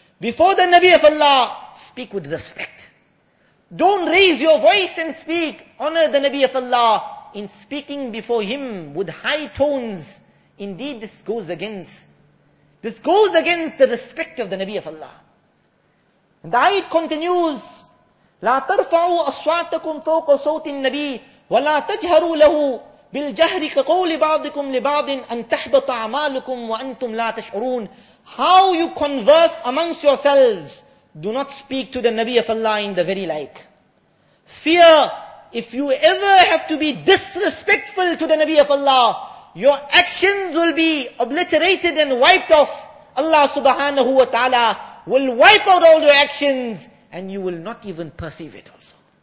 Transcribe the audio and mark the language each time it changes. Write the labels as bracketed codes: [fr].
[en] Before the Nabi of Allah, speak with respect. Don't raise your voice and speak. Honor the Nabi of Allah in speaking before him with high tones. Indeed, this goes against the respect of the Nabi of Allah. And the ayat continues, [ar] لا ترفعوا أصواتكم فوق صوت النبي ولا تجهروا له بالجهر كقول بعضكم لبعض أن تحبط أعمالكم وأنتم لا تشعرون. [en] How you converse amongst yourselves, do not speak to the Nabi of Allah in the very like. Fear, if you ever have to be disrespectful to the Nabi of Allah, your actions will be obliterated and wiped off. Allah subhanahu wa ta'ala will wipe out all your actions and you will not even perceive it also.